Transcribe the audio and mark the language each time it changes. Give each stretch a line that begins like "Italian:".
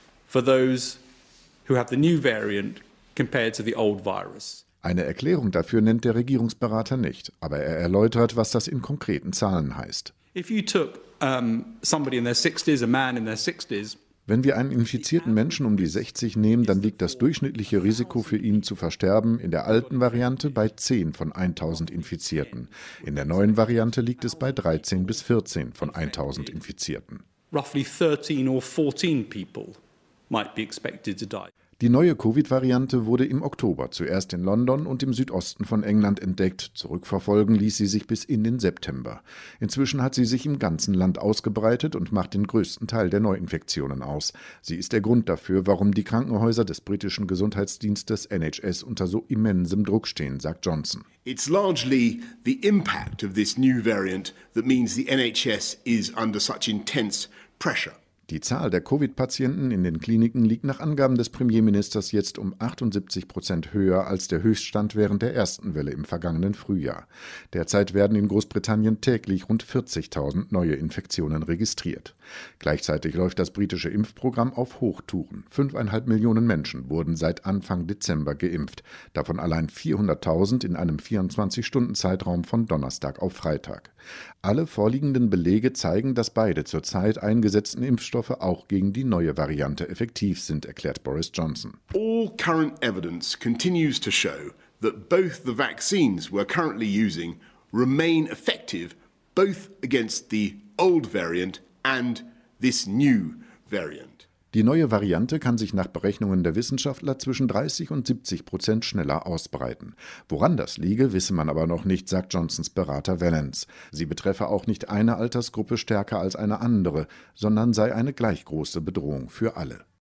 English: For those who have the new variant compared to the old virus.
German: Eine Erklärung dafür nennt der Regierungsberater nicht, aber er erläutert, was das in konkreten Zahlen heißt.
English: If you took somebody in their 60s, a man in their 60s,
German: wenn wir einen infizierten Menschen um die 60 nehmen, dann liegt das durchschnittliche Risiko für ihn zu versterben in der alten Variante bei 10 von 1.000 Infizierten. In der neuen Variante liegt es bei 13 bis 14 von 1.000 Infizierten.
English: Roughly 13 or 14 people. Might be expected to die.
German: Die neue Covid-Variante wurde im Oktober zuerst in London und im Südosten von England entdeckt. Zurückverfolgen ließ sie sich bis in den September. Inzwischen hat sie sich im ganzen Land ausgebreitet und macht den größten Teil der Neuinfektionen aus. Sie ist der Grund dafür, warum die Krankenhäuser des britischen Gesundheitsdienstes NHS unter so immensem Druck stehen, sagt Johnson.
English: It's largely the impact of this new variant that means the NHS is under such intense pressure.
German: Die Zahl der Covid-Patienten in den Kliniken liegt nach Angaben des Premierministers jetzt um 78% höher als der Höchststand während der ersten Welle im vergangenen Frühjahr. Derzeit werden in Großbritannien täglich rund 40.000 neue Infektionen registriert. Gleichzeitig läuft das britische Impfprogramm auf Hochtouren. 5,5 Millionen Menschen wurden seit Anfang Dezember geimpft, davon allein 400.000 in einem 24-Stunden-Zeitraum von Donnerstag auf Freitag. Alle vorliegenden Belege zeigen, dass beide zurzeit eingesetzten Impfstoffe auch gegen die neue Variante effektiv sind, erklärt Boris Johnson.
English: All current evidence continues to show that both the vaccines we're currently using remain effective both against the old variant and this new variant.
German: Die neue Variante kann sich nach Berechnungen der Wissenschaftler zwischen 30% und 70% schneller ausbreiten. Woran das liege, wisse man aber noch nicht, sagt Johnsons Berater Vallance. Sie betreffe auch nicht eine Altersgruppe stärker als eine andere, sondern sei eine gleich große Bedrohung für alle.